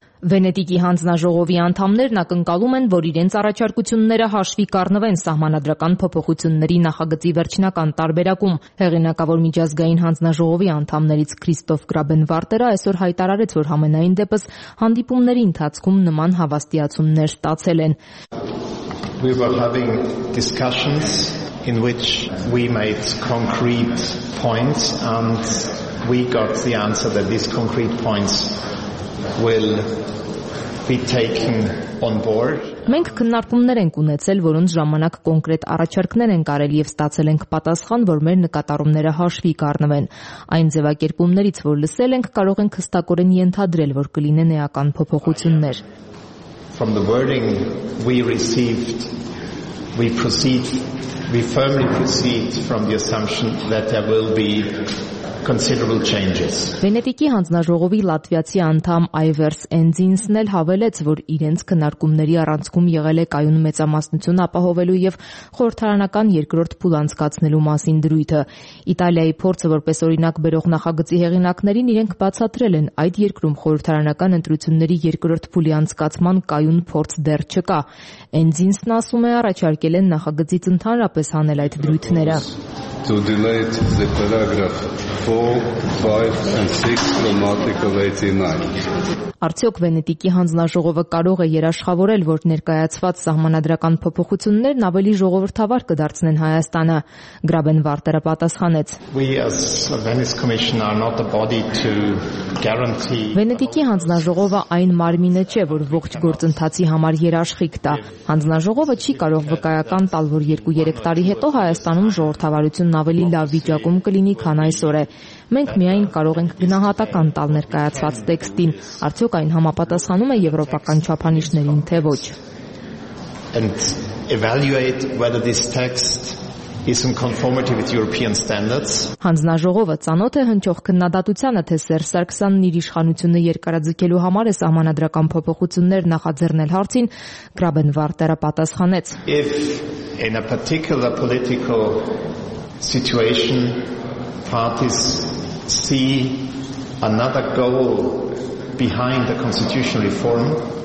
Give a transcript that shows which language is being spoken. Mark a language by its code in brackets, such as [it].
[hy] Վենետիկի հանձնաժողովի անդամներ նա կնկալում են, որ իրենց առաջարկությունները հաշվի կառնվեն սահմանադրական փոփոխությունների նախագծի վերջնական տարբերակում։ Հեղինակավոր միջազգային հանձնաժողովի անդամներից Քրիստոֆ Գրաբենվարտերը այսօր հայտարարեց, որ համենայն դեպս հանդիպումների ընթացքում նման հավաստիացումներ ստացել են։ [en] We were having discussions in which we made concrete points and we got the answer that these concrete points will be taken on board. [hy] Մենք քննարկումներ ենք ունեցել, որոնց ժամանակ կոնկրետ առաջարկներ են կարել եւ ստացել ենք պատասխան, որ մեր նկատառումները հաշվի կառնվեն։ Այն ձևակերպումներից, որ լսել ենք, կարող ենք հստակորեն ենթադրել, որ կլինեն էական փոփոխություններ։ [en] From the wording we received, we firmly proceed from the assumption that there will be considerable changes. [hy] Վենետիկի հանձնաժողովի լատվիացի անդամ Այվերս Ենձինսն էլ հավելեց, որ իրենց քննարկումների առանցքում եղել է կայուն մեծամասնություն ապահովելու եւ խորհրդարանական երկրորդ փուլ անցկացնելու մասին դրույթը։ Իտալիայի փորձը, որպես օրինակ բերող նախագծի հեղինակներին, իրենք բացատրել են, այդ երկրում խորհրդարանական ընտրությունների երկրորդ փուլի անցկացման կայուն փորձ դեռ չկա։ Ենձինսն ասում է, առաջարկել են նախագծից ընդհանրապես հանել այդ դրույթները. [en] To delay the paragraph 4, 5 and 6 from Article 89. [hy] Արդյոք Վենետիկի հանձնաժողովը կարող է երաշխավորել, որ ներկայացված սահմանադրական փոփոխություններն ավելի ժողովրդավար կդարձնեն Հայաստանը, Գրաբենվարտերը պատասխանեց. [en] We as a Venice Commission are not the body to guarantee. [hy] Վենետիկի հանձնաժողովը այն մարմինը չէ, որ ողջ գործընթացի համար երաշխի կտա։ Հանձնաժողովը չի կարող վկայական տալ, որ 2-3 տարի հետո Հայաստանում ժողովրդավարությունն ավելի լավ վիճակում կլինի, քան այսօր է։ Մենք միայն կարող ենք գնահատական տալ ներկայացված տեքստին, արդյոք այն համապատասխանում է եվրոպական չափանիշներին թե ոչ։ [en] And evaluate whether this text is in conformity with European standards. [hy] Հանձնաժողովը ցանոթ է հնչող քննադատությանը, թե Սերժ Սարգսյանն իր իշխանությունը երկարաձգելու համար է սահմանադրական փոփոխություններ նախաձեռնել հարցին, Գրաբենվարտերը պատասխանեց. [en] If in a particular political situation parties see another goal behind the constitutional reform.